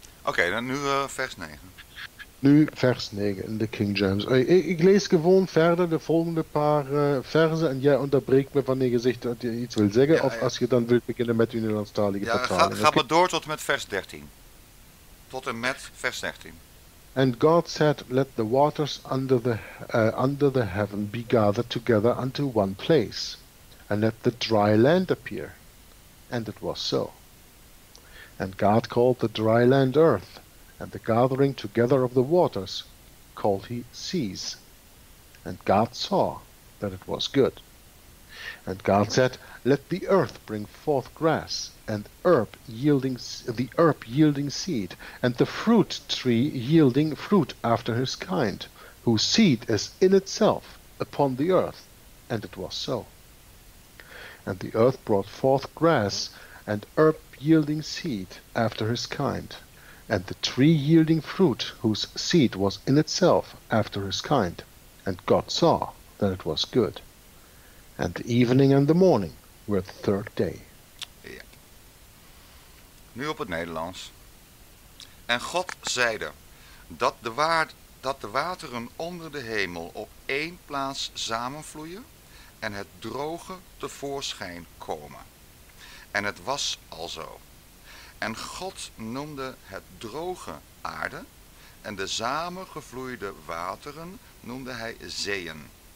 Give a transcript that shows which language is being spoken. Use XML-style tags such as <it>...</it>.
<nl>Oké, dan nu vers 9. Nu vers 9 in de King James. Ik lees gewoon verder de volgende paar versen en jij onderbreekt me wanneer je zegt dat je iets wil zeggen. Ja, of als je dan wilt beginnen met die Nederlandstalige vertaling. Ja, ga maar door tot en met vers 13. Tot en met vers 13.</nl> <en>And God said, let the waters under the heaven be gathered together unto one place, and let the dry land appear. And it was so. And God called the dry land earth, and the gathering together of the waters called he seas. And God saw that it was good. And God said, let the earth bring forth grass, and herb yielding seed, and the fruit tree yielding fruit after his kind, whose seed is in itself upon the earth. And it was so. And the earth brought forth grass, and herb yielding seed after his kind, and the tree yielding fruit, whose seed was in itself after his kind. And God saw that it was good. And the evening and the morning were the third day.</en> <nl>Ja. Nu op het Nederlands. En God zeide dat de wateren onder de hemel op één plaats samenvloeien en het droge tevoorschijn komen. En het was alzo. En God noemde het droge aarde en de samengevloeide wateren noemde hij zeeën.</nl>